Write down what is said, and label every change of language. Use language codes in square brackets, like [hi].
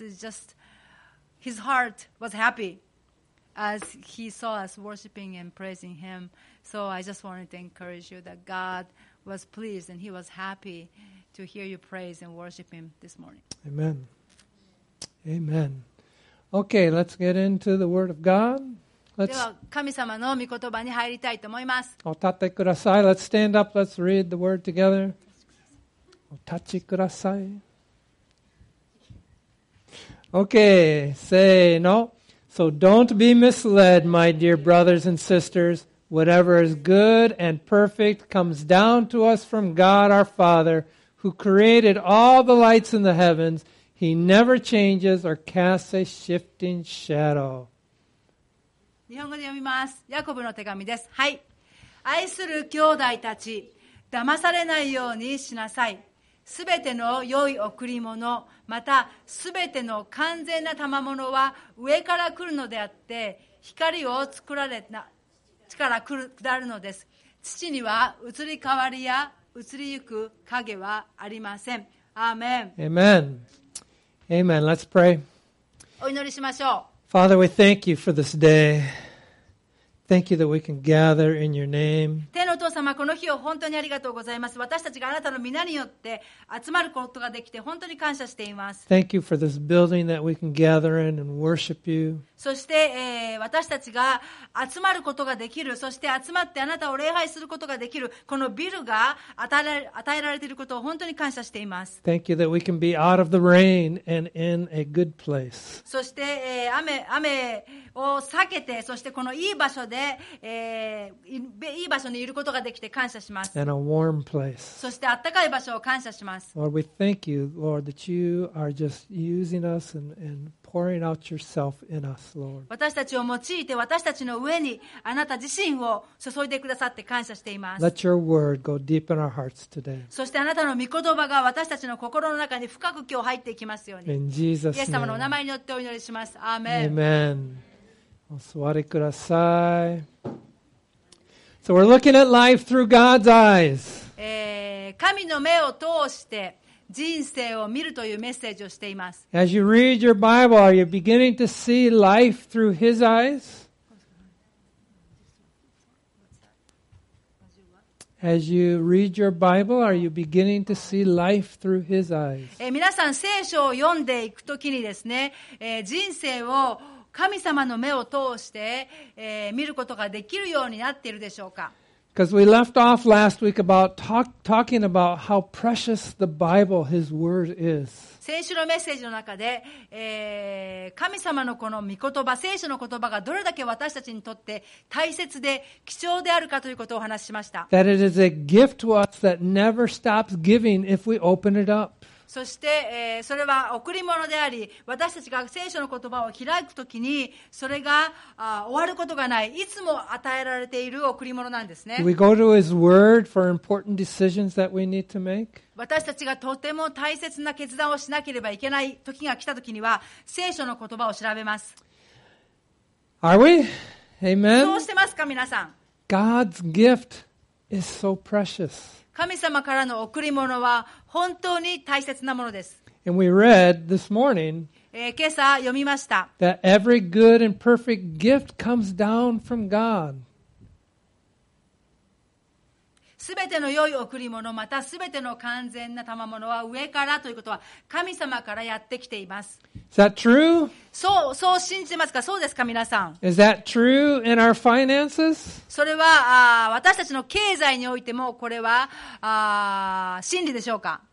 [en] It's just His heart was happy as He saw us worshiping and praising Him. So I just wanted to encourage you that God was pleased and He was happy. To hear you praise and worship Him this morning. Amen. Amen. Okay, let's get into the Word of God. [ja] では神様の御言葉に入りたいと思います。お立ちください。 [en] Let's stand up. Let's read the Word together. [ja] お立ちください。 [en] Okay, say no. So don't be misled, my dear brothers and sisters. Whatever is good and perfect comes down to us from God our Father. Who created all the lights in the heavens, he never changes or casts a shifting shadow. [ja] 日本語で読みます。ヤコブの手紙です。はい。愛する兄弟たち、騙されないようにしなさい。すべての良い贈り物、またすべての完全な賜物は上から来るのであって、光を作られた力から下るのです。父には移り変わりや移りゆく影はありません。アーメン。 [en] Amen. Amen. Let's pray. [ja] お祈りしましょう。 [en] Father, we thank you for this day. Thank you that we can gather in your name. [ja] 天のお父様、この日を本当にありがとうございます。私たちがあなたの皆によって集まることができて本当に感謝しています。 [en] Thank you for this building that we can gather in and worship you. [ja] そして、私たちが集まることができる、そして集まってあなたを礼拝することができるこのビルが与えられていることを本当に感謝しています。 [en] Thank you that we can be out of the rain and in a good place. [ja] そして、雨を避けて、そしてこのいい場所で、いい場所にいることができて感謝します。 [en] And a warm place. [ja] そして暖かい場所を感謝します。 [en] Lord, we thank you, Lord, that you are just using us and pouring out yourself in us, Lord. [ja] 私たちを用いて私たちの上にあなた自身を注いでくださって感謝しています。 [en] Let your word go deep in our hearts today. [ja] そしてあなたの御言葉が私たちの心の中に深く今日入っていきますように。 [en] In Jesus' name. [ja] イエス様のお名前によってお祈りします。アーメン。 Amen. お座りください。 [en] So we're looking at life through God's eyes. [ja] 神の目を通して人生を見るというメッセージをしています。 [en] As you read your Bible, are you beginning to see life through His eyes? As you read your Bible, are you beginning to see life through his eyes? [ja] 皆さん聖書を読んでいくときにですね、人生を神様の目を通して、見ることができるようになっているでしょうか? [en] Because we left off last week about talking about how precious the Bible, his word is. [ja] 先週のメッセージの中で、神様のこの御言葉、聖書の言葉がどれだけ私たちにとって大切で貴重であるかということをお話ししました。 [en] That it is a gift to us that never stops giving if we open it up. [ja] そして、それは贈り物であり、私たちが聖書の言葉を開くときに、それが終わることがない、いつも与えられている贈り物なんですね。 [en] We go to His Word for important decisions that we need to make. [ja] 私たちがとても大切な決断をしなければいけない時が来た時には聖書の言葉を調べます。 [en] Are we? Amen. [ja] どうしてますか皆さん。 [en] God's gift is so precious. [ja] 神様からの贈り物は本当に大切なものです。 [en] And we read this morning, [ja] 今朝読みました。 [en] That every good and perfect gift comes down from God. [ja] すべての良い贈り物またすべての完全な賜物は上からということは神様からやってきています。 [en] Is that true? [ja] そう信じますか？そうですか皆さん。 [en] Is that true in our finances? [ja] それは私たちの経済においてもこれは真理でしょうか？